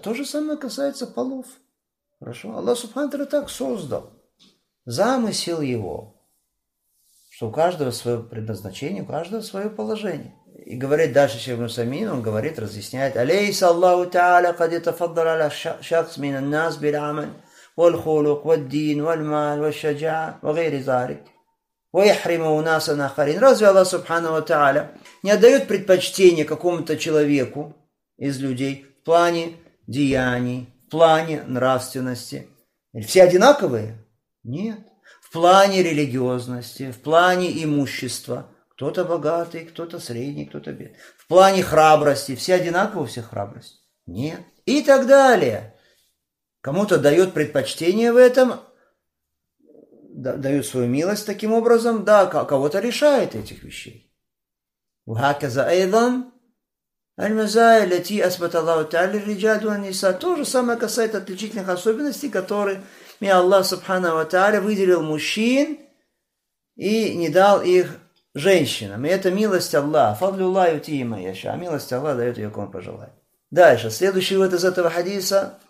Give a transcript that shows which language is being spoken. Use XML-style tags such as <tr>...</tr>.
<ru>То же самое касается полов. Хорошо? Аллах Субхана ва Тааля так создал. Замысел его, что у каждого свое предназначение, у каждого свое положение. И говорит дальше Ибн Усаймин, он говорит, разъясняет,</ru> <ar>алейса Аллаху Тааля, кадита фаддаля шахс минан нас биль амаль, والخلق والدين والمال والشجاعة وغير ذلك، ويحرم ناسا آخرين.</ar> <ru>Разве Аллах سبحانه وتعالى не отдает предпочтение какому-то человеку из людей в плане деяний, в плане нравственности? Все одинаковые? Нет. В плане религиозности, в плане имущества. Кто-то богатый, кто-то средний, кто-то бедный. В плане храбрости. Все одинаковые у всех храбрость? Нет. И так далее. Кому-то дает предпочтение в этом, дают свою милость таким образом, да, кого-то лишает этих вещей.</ru> <ar>وهكذا أيضا المزايا التي أثبت الله تعالى للرجال والنساء.</ar> <ru>То же самое касается отличительных особенностей, которые мне Аллах سبحانه وتعالى выделил мужчин и не дал их женщинам. И это милость Аллаха.</ru> <ar>فضل الله يؤتيه من يشاء.</ar> <ru>Милость Аллаха дает ее, кому пожелает. Дальше, следующий вывод из этого хадиса.</ru>